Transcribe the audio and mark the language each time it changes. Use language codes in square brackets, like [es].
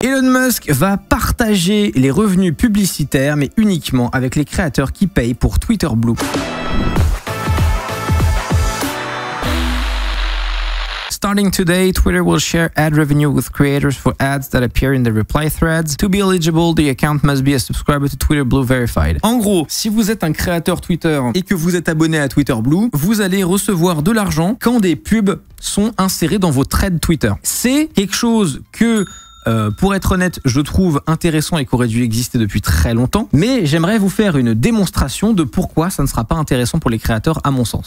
[fr] Elon Musk va partager les revenus publicitaires, mais uniquement avec les créateurs qui payent pour Twitter Blue. [en] Starting today, Twitter will share ad revenue with creators for ads that appear in the reply threads. To be eligible, the account must be a subscriber to Twitter Blue Verified. [fr] En gros, si vous êtes un créateur Twitter et que vous êtes abonné à Twitter Blue, vous allez recevoir de l'argent quand des pubs sont insérées dans vos threads Twitter. C'est quelque chose que... pour être honnête, je trouve intéressant et qu'aurait dû exister depuis très longtemps. Mais j'aimerais vous faire une démonstration de pourquoi ça ne sera pas intéressant pour les créateurs à mon sens.